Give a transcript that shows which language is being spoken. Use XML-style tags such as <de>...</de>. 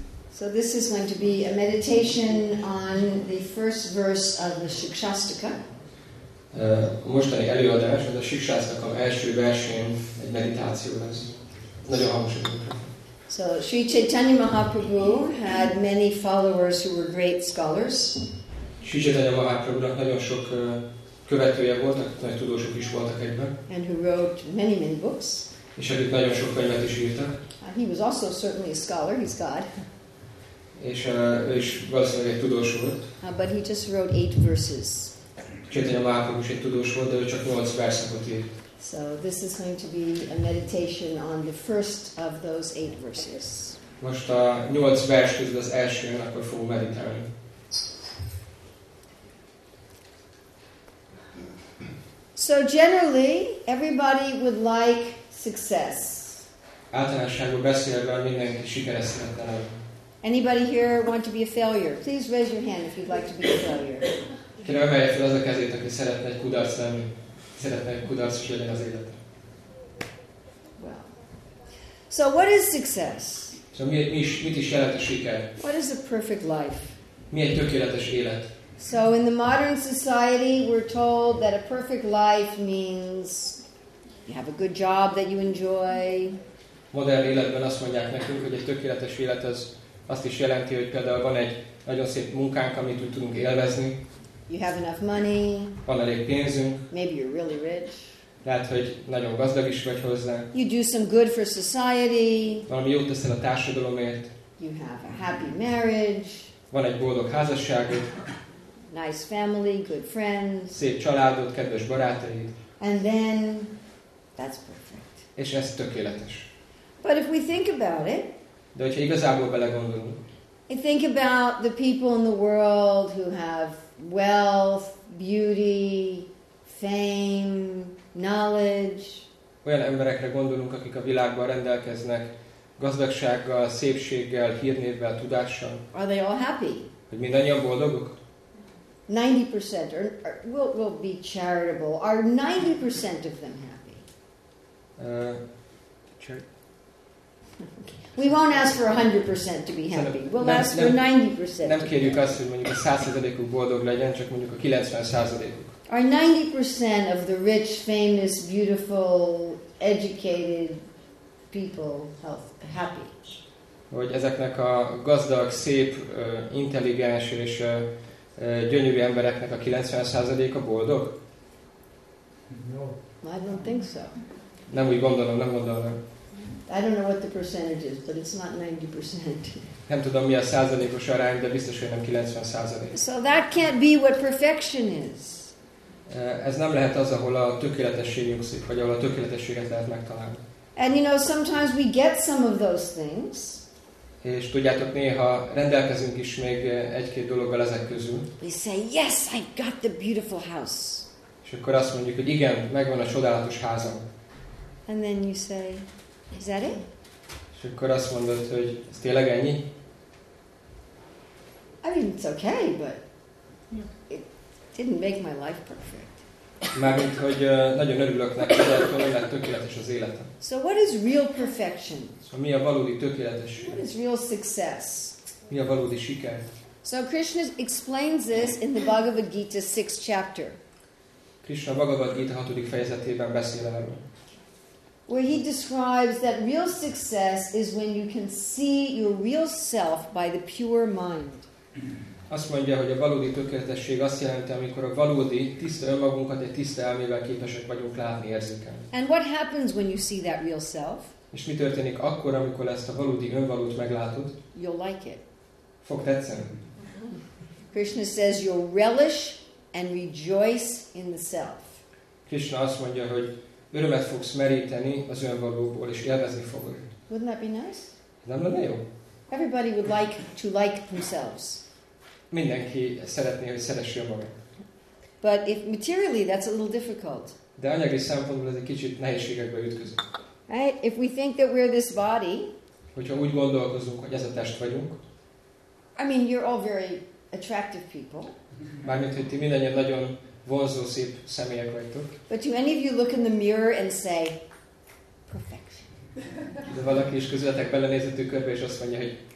<en>So this is going to be a meditation on the first verse of the Shikshastaka.</en> <hu>Mostani előadás az a Shikshastaka első versén egy meditáció lesz. Nagyon hangosan.</hu> <en>So Sri Chaitanya Mahaprabhu had many followers who were great scholars.</en> <hu>Sri Chaitanya Mahaprabhu-nak nagyon sok követője voltak, nagy tudósok is voltak egyben.</hu> <en>And who wrote many, many books.</en> <hu>És akik nagyon sok könyvet is írtak.</hu> <en>He was also certainly a scholar, he's God.</en> <hu>És ő is valószínűleg egy tudós volt.</hu> <en>But he just wrote 8 verses.</en> <hu>Chaitanya Mahaprabhu is egy tudós volt, de ő csak 8 verseket írt.</hu> <en>So this is going to be a meditation on the first of those 8 verses.</en> <hu>Most a 8 vers közül az elsőn akkor fogunk meditálni.</hu> <en>So generally, everybody would like success.</en> <hu>Általánosságban beszélve mindenki sikeres szeretne lenni.</hu> <en>Anybody here want to be a failure? Please raise your hand if you'd like to be a failure.</en> <hu>Kérem, emelje fel az a kezét, aki szeretne egy kudarc lenni. Szeretne egy kudarc is lenni az életre.</hu> <en>Well. So what is success?</en> <hu>So mit is jelent a siker?</hu> <en>What is a perfect life?</en> <hu>Mi egy tökéletes élet?</hu> <en>So in the modern society, we're told that a perfect life means you have a good job that you enjoy.</en> <hu>Modern életben azt mondják nekünk, hogy egy tökéletes élet az azt is jelenti, hogy például van egy nagyon szép munkánk, amit úgy tudunk élvezni.</hu> <en>You have enough money.</en> <hu>Van elég pénzünk.</hu> <en>Maybe you're really rich.</en> <hu>Lehet, hogy nagyon gazdag is vagy hozzá.</hu> <en>You do some good for society.</en> <hu>Valami jót teszel a társadalomért.</hu> <en>You have a happy marriage.</en> <hu>Van egy boldog házasságod.</hu> <en>Nice family, good friends.</en> <hu>Szép családod, kedves barátaid.</hu> <en>And then, that's perfect.</en> <hu>És ez tökéletes.</hu> <en>But if we think about it,</en> <hu>de hogyha igazából belegondolunk,</hu> <en>I think about the people in the world who have wealth, beauty, fame, knowledge.</en> <hu>Olyan emberekre gondolunk, akik a világban rendelkeznek gazdagsággal, szépséggel, hírnévvel, tudással.</hu> <en>Are they all happy?</en> <hu>Hogy mindannyian boldogok?</hu> <en>90% or we'll be charitable. Are 90% of them happy? We won't ask for 100% to be happy. We'll ask for 90%.</en> <hu>Nem kérjük azt, hogy mondjuk a 100%-uk boldog legyen, csak mondjuk a 90%-uk.</hu> <en>Are 90% of the rich, famous, beautiful, educated people happy?</en> <hu>Hogy ezeknek a gazdag, szép, intelligens és gyönyörű embereknek a 90%-a boldog?</hu> <en>No. I don't think so.</en> <hu>Nem úgy gondolom, nem gondolom.</hu> <en>I don't know what the percentage is, but it's not 90%.</en> <hu>Nem tudom, mi a százalékos arány, de biztos, hogy nem 90%.</hu> <en>So that can't be what perfection is.</en> <hu>Ez nem lehet az, ahol a tökéletesség nyugszik, vagy ahol a tökéletességet lehet megtalálni.</hu> <en>And you know, sometimes we get some of those things.</en> <hu>És tudjátok, néha rendelkezünk is még egy-két dologgal ezek közül.</hu> <en>We say, yes, I got the beautiful house.</en> <hu>És akkor azt mondjuk, hogy igen, megvan a csodálatos házam.</hu> <en>And then you say, is that it?</en> <hu>És akkor azt mondod, hogy ez tényleg ennyi?</hu> <en>I mean, it's okay, but it didn't make my life perfect.</en> <hu>Mármint, hogy nagyon örülök neki, de attól nem lett tökéletes az életem.</hu> <en>So what is real perfection?</en> <hu>So mi a valódi tökéletesség?</hu> <en>What is real success?</en> <hu>Mi a valódi siker?</hu> <en>So Krishna explains this in the Bhagavad Gita 6th chapter.</en> <hu>Krishna a Bhagavad Gita 6. fejezetében beszél erről.</hu> <en>Where he describes that real success is when you can see your real self by the pure mind.</en> <hu>Azt mondja, hogy a valódi tökéletesség azt jelenti, amikor a valódi tiszta önmagunkat egy tiszta elmével képesek vagyunk látni, érzékelni.</hu> <en>And what happens when you see that real self?</en> <hu>És mi történik akkor, amikor ezt a valódi önvalót meglátod?</hu> <en>You'll like it.</en> <hu>Fog tetszeni.</hu> <en>Krishna says you'll relish and rejoice in the self.</en> <hu>Krishna azt mondja, hogy örömet fogsz meríteni az önvalóból, és élvezni fogod.</hu> <en>Wouldn't that be nice?</en> <hu>Nem lenne jó?</hu> <en>Everybody would like to like themselves.</en> <hu>Mindenki szeretné, hogy szeressen magát.</hu> <en>But if materially that's a little difficult.</en> <hu>De anyagi szempontból ez egy kicsit nehézségekbe ütközik.</hu> <en>Right? If we think that we're this body.</en> <hu>Hogyha úgy gondolkozunk, hogy ez a test vagyunk.</hu> <en>I mean, you're all very attractive people.</en> <hu>Mármint, hogy ti mindannyian nagyon vonzó, szép személyek vagytok.</hu> <en>But do any of you look in the mirror and say, perfection?</en> <hu>De valaki is közületek belenézettük körbe, és azt mondja, hogy</hu>